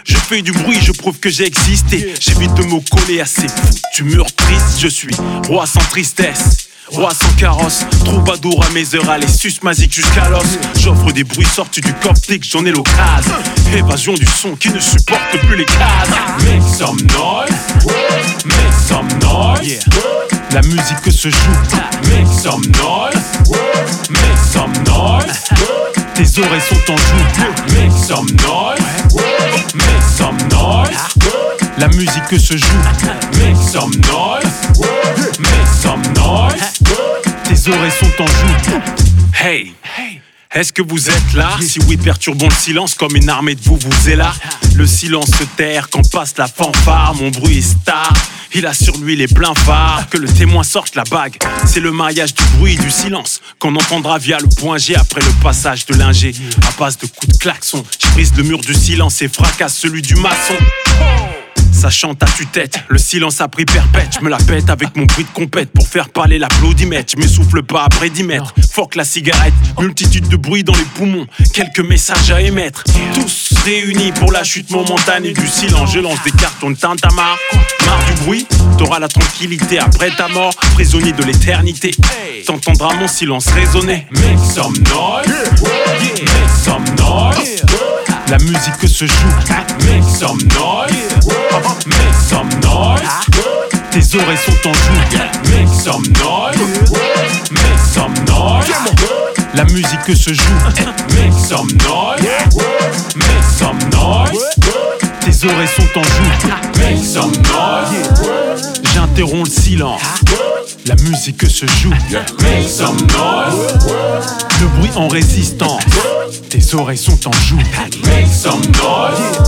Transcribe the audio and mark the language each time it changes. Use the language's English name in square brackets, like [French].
[French] Je fais du bruit, je prouve que j'ai existé. J'évite de me coller à ces foutus murs tristes. Je suis roi sans tristesse, roi sans carrosse, troubadour à mes heures, allez susmasique jusqu'à l'os. J'offre des bruits sortis du coptique, j'en ai l'occasion. Évasion du son qui ne supporte plus les cases. [English] Make some noise, make some noise. [French] La musique se joue. [English] Make some noise, make some noise. [French] Tes oreilles sont en joue. [English] Make some noise, make some noise. [French] La musique se joue. [English] Make some noise, make some noise. [French] Tes oreilles sont en joue. Hey, est-ce que vous êtes là? Si oui, perturbons le silence comme une armée de vous est là. Le silence se terre quand passe la fanfare. Mon bruit est star, il a sur lui les pleins phares. Que le témoin sorte la bague, c'est le mariage du bruit et du silence qu'on entendra via le point G après le passage de l'ingé. À base de coups de klaxon, je brise le mur du silence et fracasse celui du maçon. Ça chante à tue-tête, le silence a pris perpète. Je me la pète avec mon bruit de compète pour faire parler l'applaudimètre. Je m'essouffle pas après 10 mètres, fuck la cigarette. Multitude de bruits dans les poumons, quelques messages à émettre. Tous réunis pour la chute momentanée du silence. Je lance des cartons de Tintamarre. Marre du bruit, t'auras la tranquillité après ta mort. Prisonnier de l'éternité, t'entendras mon silence résonner. [English] Make some noise, make some noise. [French] La musique se joue. [English] Make some noise, make some noise. [French] Tes oreilles sont en joue. [English] Make some noise, make some noise. [French] La musique se joue. [English] Make some noise, make some noise. [French] Tes oreilles sont en joue. [English] Make some noise. [French] J'interromps le silence. La musique se joue. [English] Make some noise. [French] Le bruit en résistance. Tes oreilles sont en joue. [English] Make some noise.